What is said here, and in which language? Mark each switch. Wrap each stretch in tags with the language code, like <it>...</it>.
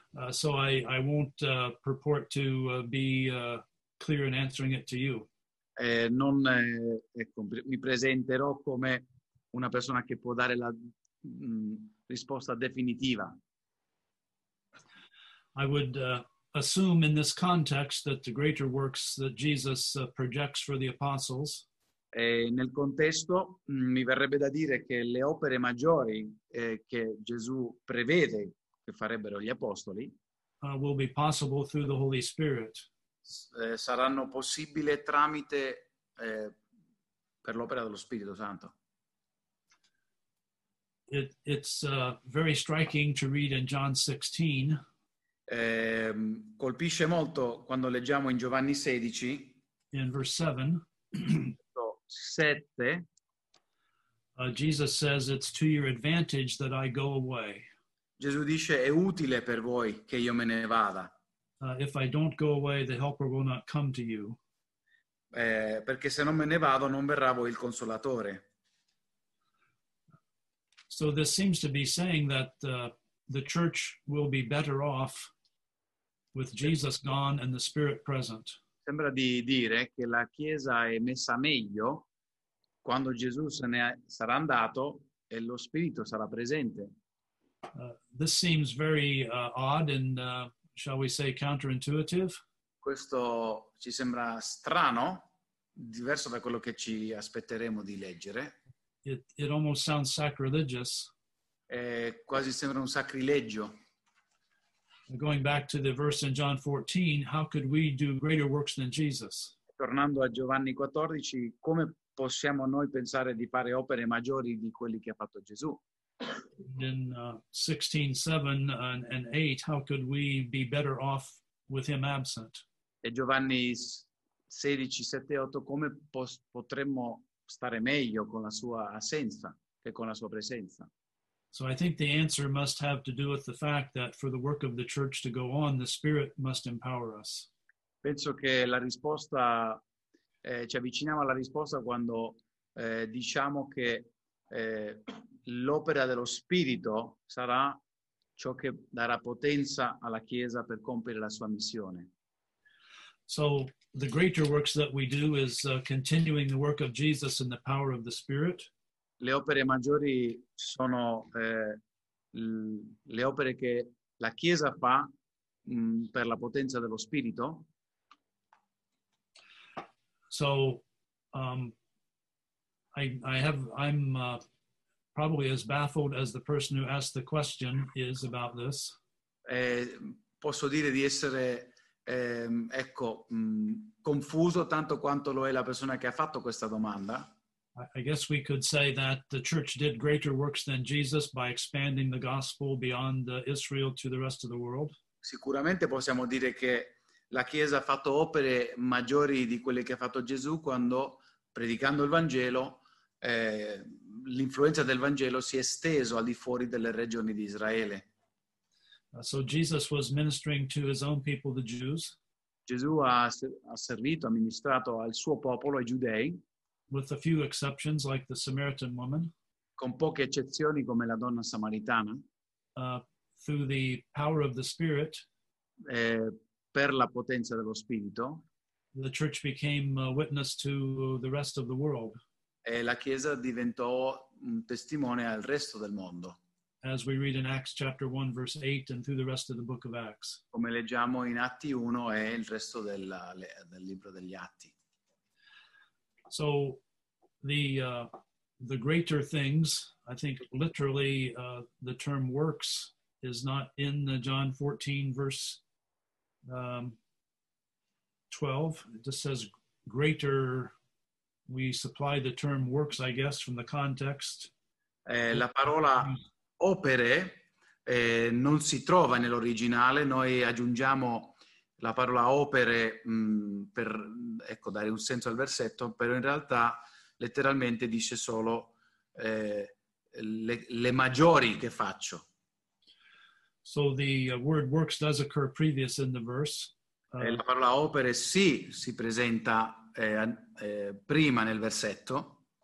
<en>So I won't purport to be clear in answering it to you.</en> <it>Mi presenterò come una persona che può dare la risposta definitiva.</it> <en>I would assume in this context that the greater works that Jesus projects for the apostles.</en> <it>E nel contesto mi verrebbe da dire che le opere maggiori che Gesù prevede che farebbero gli apostoli</it> <en>will be possible through the Holy Spirit.</en> <it>Saranno possibili tramite per l'opera dello Spirito Santo.</it> <en>It's very striking to read in John 16.</en> <it>Colpisce molto quando leggiamo in Giovanni 16</it> <en>in verse 7.</en> <it>7.</it> <en>Jesus says it's to your advantage that I go away.</en> <it>Gesù dice è utile per voi che io me ne vada.</it> <en>If I don't go away, the helper will not come to you.</en> <it>Perché se non me ne vado, non verrà voi il consolatore.</it> <en>So this seems to be saying that the church will be better off with Jesus gone and the Spirit present.</en> <it>Sembra di dire che la Chiesa è messa meglio quando Gesù se ne sarà andato e lo Spirito sarà presente.</it> <en>This seems very odd and shall we say counterintuitive?</en> <it>Questo ci sembra strano, diverso da quello che ci aspetteremo di leggere.</it> <en>It almost sounds sacrilegious.</en> <it>Quasi sembra un sacrilegio.</it> <en>Going back to the verse in John 14, how could we do greater works than Jesus?</en> <it>Tornando a Giovanni 14, come possiamo noi pensare di fare opere maggiori di quelli che ha fatto Gesù?</it> <en>In 16:7 and 8, how could we be better off with him absent?</en> <it>E Giovanni 16:7-8, come potremmo stare meglio con la sua assenza che con la sua presenza?</it> <en>So I think the answer must have to do with the fact that for the work of the church to go on, the Spirit must empower us.</en> <it>Penso che la risposta, ci avviciniamo alla risposta quando diciamo che l'opera dello Spirito sarà ciò che darà potenza alla Chiesa per compiere la sua missione.</it> <en>So the greater works that we do is continuing the work of Jesus in the power of the Spirit.</en> <it>Le opere maggiori sono le opere che la Chiesa fa per la potenza dello Spirito.</it> <en>So I'm probably as baffled as the person who asked the question is about this.</en> <it>Posso dire di essere confuso tanto quanto lo è la persona che ha fatto questa domanda.</it> <en>I guess we could say that the church did greater works than Jesus by expanding the gospel beyond Israel to the rest of the world.</en> <it>Sicuramente possiamo dire che la Chiesa ha fatto opere maggiori di quelle che ha fatto Gesù quando, predicando il Vangelo, l'influenza del Vangelo si è esteso al di fuori delle regioni di Israele.</it> <en>So Jesus was ministering to his own people, the Jews.</en> <it>Gesù ha servito, ha ministrato al suo popolo, ai giudei.</it> <en>With a few exceptions, like the Samaritan woman.</en> <it>Con poche eccezioni, come la donna samaritana.</it> <en>Through the power of the Spirit.</en> <it>Per la potenza dello Spirito.</it> <en>The church became a witness to the rest of the world.</en> <it>E la Chiesa diventò un testimone al resto del mondo.</it> <en>As we read in Acts chapter 1, verse 8, and through the rest of the book of Acts.</en> <it>Come leggiamo in Atti 1 e il resto del libro degli Atti.</it> <en>So the greater things, I think literally the term works is not in the John 14 verse 12. It just says greater. We supply the term works, I guess, from the context.</en> <it>La parola opere non si trova nell'originale. Noi aggiungiamo la parola opere per dare un senso al versetto, però in realtà letteralmente dice solo le maggiori che faccio.</it> <en>So the word works does occur previous in the verse.</en> <it>La parola opere sì si presenta prima nel versetto.</it>